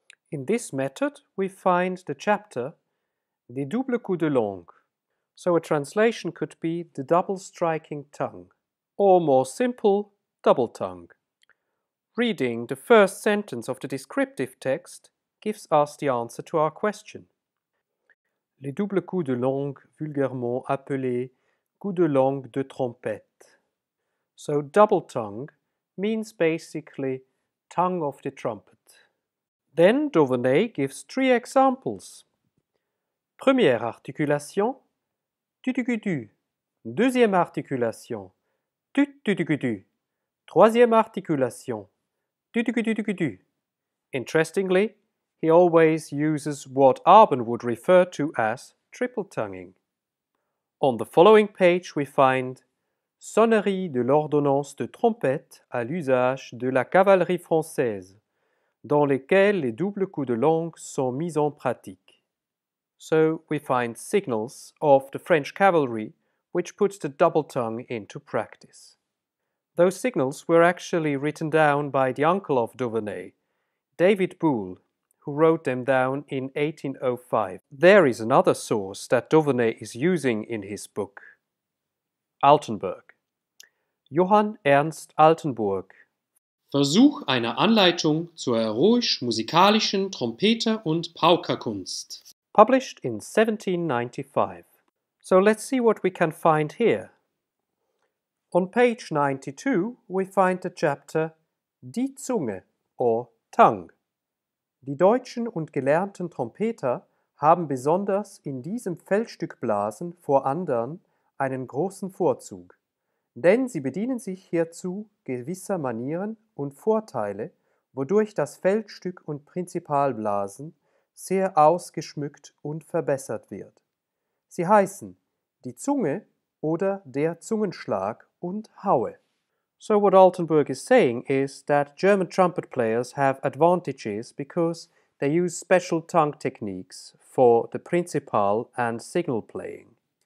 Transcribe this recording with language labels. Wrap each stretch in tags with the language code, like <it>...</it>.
<en>In this method, we find the chapter,</en> <fr>Les doubles coups de langue.</fr> <en>So a translation could be the double striking tongue, or more simple, double tongue. Reading the first sentence of the descriptive text gives us the answer to our question.</en> <fr>Les doubles coups de langue, vulgairement appelés coups de langue de trompette.</fr> <en>So double tongue means basically tongue of the trumpet. Then d'Auvernay gives three examples.</en> <fr>Première articulation,</fr> <en>tu-tu-tu-tu.</en> <fr>Deuxième articulation, tu-tu-tu-tu-tu. Troisième articulation, tu-tu-tu-tu-tu-tu.</fr> <en>Interestingly, he always uses what Arban would refer to as triple tonguing.</en> <fr>On the following page we find Sonnerie de l'ordonnance de trompette à l'usage de la cavalerie française, dans lesquels les doubles coups de langue sont mis en pratique.</fr> <en>So we find signals of the French cavalry which puts the double tongue into practice. Those signals were actually written down by the uncle of d'Auvernay, David Boulle, who wrote them down in 1805. There is another source that d'Auvernay is using in his book, Altenburg. Johann-Ernst Altenburg.</en> <de>Versuch einer Anleitung zur heroisch-musikalischen Trompeter- und Paukerkunst.</de> <en>Published in 1795. So let's see what we can find here. On page 92, we find the chapter Die Zunge, or Tongue.</en> <de>Die deutschen und gelernten Trompeter haben besonders in diesem Feldstückblasen vor anderen einen großen Vorzug. Denn sie bedienen sich hierzu gewisser Manieren und Vorteile, wodurch das Feldstück und Prinzipalblasen sehr ausgeschmückt und verbessert wird. Sie heißen die Zunge oder der Zungenschlag und Haue.</de> <en>So what Altenburg is saying is that German trumpet players have advantages because they use special tongue techniques for the principal and signal playing.</en>